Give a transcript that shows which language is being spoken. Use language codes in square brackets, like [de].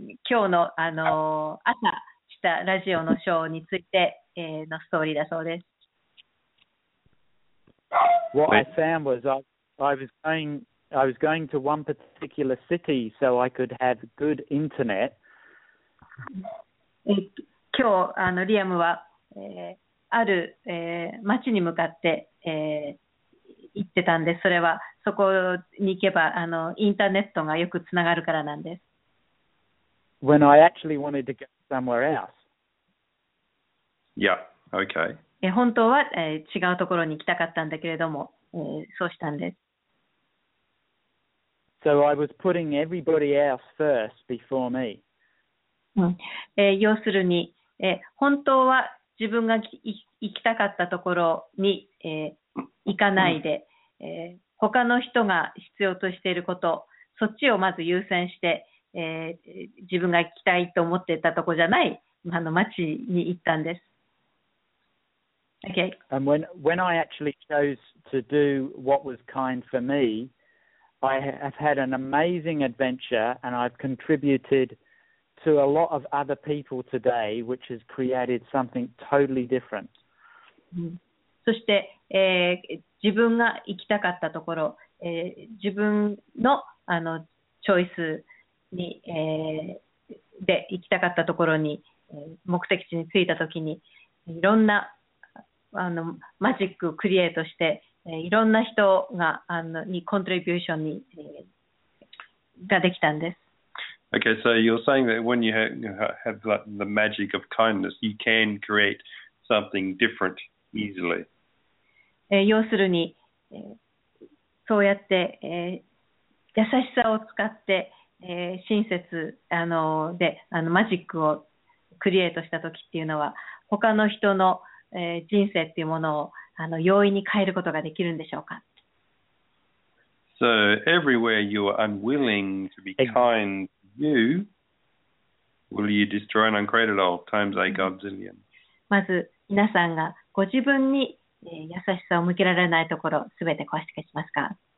[ja] 今日の朝したラジオのショーについて、のストーリーだそうです。 [en] What I found was I was going to one particular city so I could have good internet. [ja] 今日リアムは、ある、町に向かって、行ってたんです。それはそこに行けばインターネットがよくつながるからなんです。 [en] When I actually wanted to go somewhere else. Yeah, okay. [ja] 本当は、違うところに行きたかったんだけれども、そうしたんです。 [en] So I was putting everybody else first before me. [ja] 要するに、本当は自分が行きたかったところに、行かないで、他の人が必要としていること、そっちをまず優先して、自分が行きたいと思ってたとこじゃない町に行ったんです。 [en] Okay. And when I actually chose to do what was kind for me, I have had an amazing adventure and I've contributed to a lot of other people today, which has created something totally different. [ja] そして、自分が行きたかったところ、自分のチョイスに、で行きたかったところに目的地に着いたときにいろんなマジックをクリエイトしていろんな人がにコントリビューションに、ができたんです。 [en] Okay, so you're saying that when you have like, the magic of kindness, you can create something different easily. [ja] 要するに、そうやって、優しさを使って、親切、で、マジックをクリエイトした時っていうのは他の人の、人生っていうものを容易に変えることができるんでしょうか。 [en] So everywhere you are unwilling to be kind to you, will you destroy and uncreate it all times a godzillion? [ja] まず皆さんがご自分に、優しさを向けられないところを全て壊して消しますか。